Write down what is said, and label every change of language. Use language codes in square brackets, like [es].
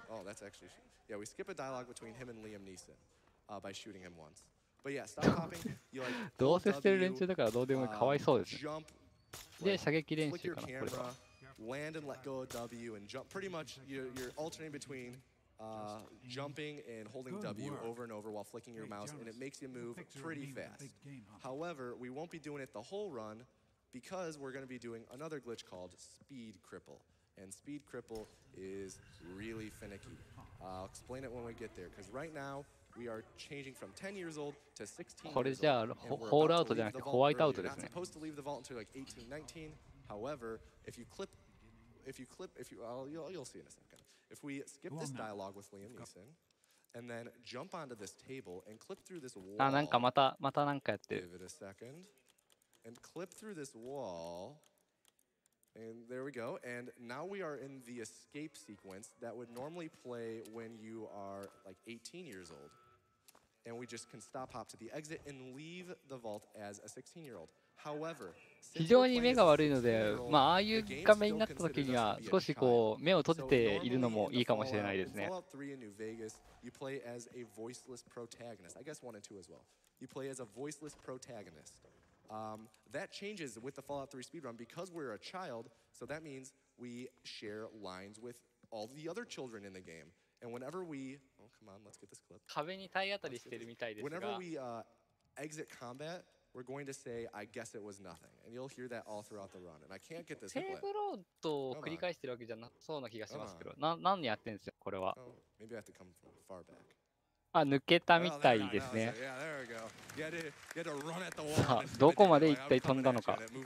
[en] Oh, that's actually, yeah, we skip a dialogue between him and Liam Neeson, by shooting him once. But yeah, stop hopping. You're like, [ja] どうせしてる連中だからどうでもいい。かわいそうです。 [en] Jump. [ja] で、射撃練習かな。これ。 [en] Land and let go of W and jump. Pretty much, you're alternating between, jumping and holding W over and over while flicking your mouse, and it makes you move pretty fast. However, we won't be doing it the whole run. Because we're going to be doing another glitch called Speed Cripple. And Speed Cripple is really finicky. I'll explain it when we get there. Because right now, we are changing from 10 years old to 16 years old. And we're about to leave the vault. You're not supposed to leave the vault until like 18, 19. However, you'll see in a second. If we skip this dialogue with Liam Neeson, and then jump onto this table and clip through this wall. [ja] あ、なんかまたなんかやってる。 [en] Give it a second. And clip through this wall, and there we go. And now we are in the escape sequence that would normally play when you are like 18 years old. And we just can stop hop to the exit and leave the vault as a 16-year-old. However, [ja] 非常に目が悪いので、まあああいう画面になった時には少しこう目を閉じているのもいいかもしれないですね。 [en] Fallout 3 in New Vegas, you play as a voiceless protagonist. I guess 1 and 2 as well. You play as a voiceless protagonist. That changes with the Fallout 3 speedrun because we're a child, so that means we share lines with all the other children in the game. And whenever we... Oh, come on, let's get this clip. [ja] 壁に体当たりしてるみたいですが。 [en] Whenever we exit combat, we're going to say, I guess it was nothing. And you'll hear that all throughout the run. And I can't get this clip. [ja] セーブロードを繰り返してるわけじゃなそうな気がしますけど。何やってんですよ、これは。 [en] Oh, maybe I have to come from far back. [ja] あ、抜けたみたいですね。さあ、どこまで一体飛んだのか。